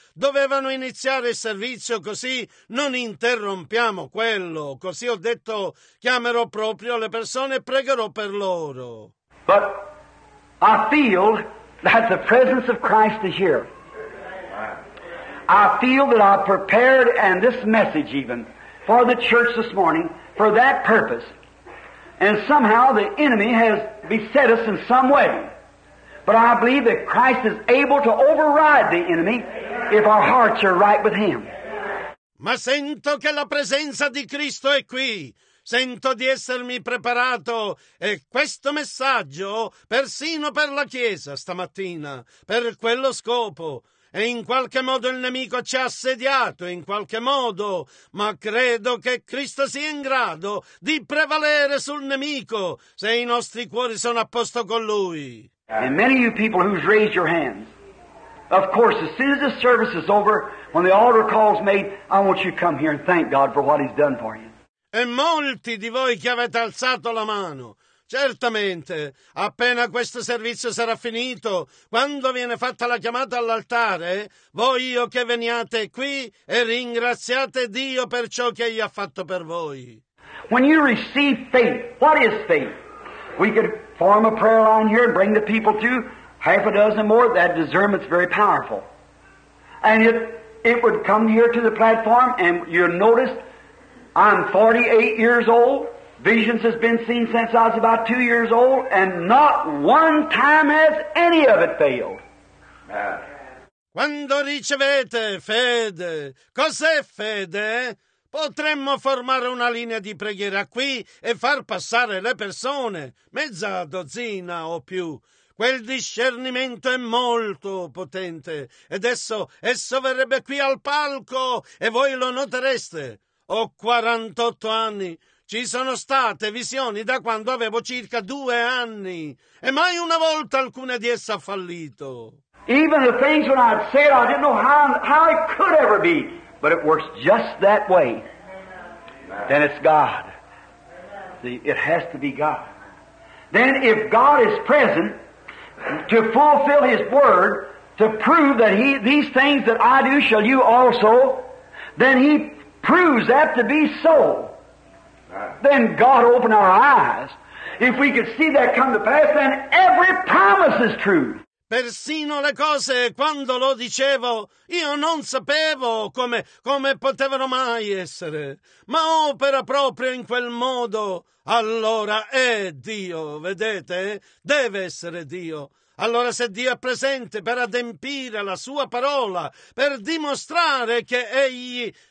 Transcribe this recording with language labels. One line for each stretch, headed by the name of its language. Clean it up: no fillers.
Italian: Dovevano iniziare il servizio così non interrompiamo quello. Così ho detto, chiamerò proprio le persone e pregherò per loro.
English: But I feel that the presence of Christ is here. I feel that I prepared and this message even for the church this morning for that purpose. And somehow the enemy has beset us in some way. But I believe that Christ is able to override the enemy if our hearts are right with Him.
Italian: Ma sento che la presenza di Cristo è qui. Sento di essermi preparato e questo messaggio persino per la Chiesa stamattina, per quello scopo. E in qualche modo il nemico ci ha assediato, in qualche modo, ma credo che Cristo sia in grado di prevalere sul nemico se i nostri cuori sono a posto con Lui.
English: And many of you people who've raised your hands, of course, as soon as this service is over, when the altar call's made, I want you to come here and thank God for what He's done for you.
Italian: E molti di voi che avete alzato la mano, certamente, appena questo servizio sarà finito, quando viene fatta la chiamata all'altare, voi io che veniate qui e ringraziate Dio per ciò che Egli ha fatto per voi.
English: When you receive faith, what is faith? We could form a prayer line here and bring the people to half a dozen more. That discernment's very powerful. And it would come here to the platform, and you'll notice I'm 48 years old. Visions has been seen since I was about 2 years old, and not one time has any of it failed.
Italian: Quando ricevete fede, cos'è fede? Potremmo formare una linea di preghiera qui e far passare le persone, mezza dozzina o più. Quel discernimento è molto potente, ed esso verrebbe qui al palco, e voi lo notereste. Ho 48 anni. Ci sono state visioni da quando avevo circa 2 anni, e mai una volta alcune di esse ha fallito.
English: Even the things when I'd say it, I didn't know how it could ever be, but it works just that way. Amen. Then it's God. See, it has to be God. Then if God is present to fulfill His word, to prove that He, these things that I do shall you also, then He proves that to be so. Then God opened our eyes. If we could see that come to pass, then every promise is true.
Italian: Persino le cose, quando lo dicevo, io non sapevo come potevano mai essere. Ma opera proprio in quel modo. Allora è Dio, vedete? Deve essere Dio. Allora se Dio è presente per adempiere la sua parola, per dimostrare che Egli...